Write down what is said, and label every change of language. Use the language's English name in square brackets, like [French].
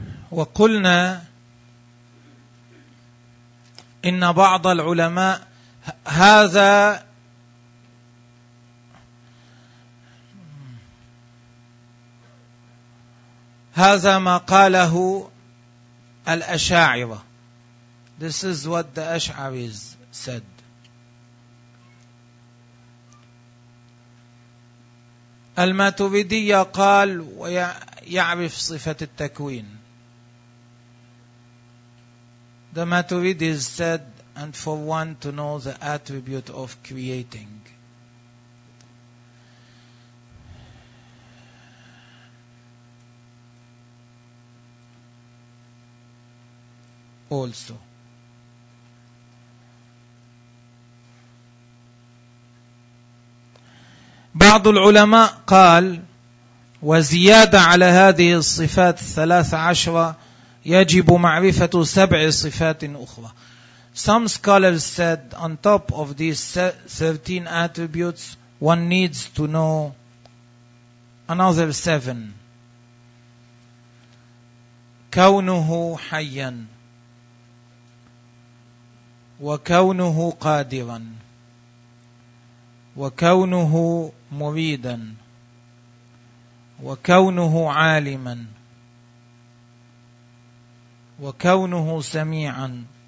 [Arabic] وقلنا إن بعض العلماء هذا هذا ما قاله الأشاعرة. [English] This is what the Ash'aris said. [Arabic] الماتريدي قال ويعرف صفة التكوين. [English] The Maturidis said, and for one to know the attribute of creating. Also, [Arabic] بعض العلماء قال وزيادة على هذه الصفات 13 يجب معرفة 7 صفات أخرى. [English] Some scholars said on top of these 13 attributes one needs to know another 7. [Arabic] كونه حيا وكونه قادرا وكونه مريدا وكونه عالما وكونه سميعا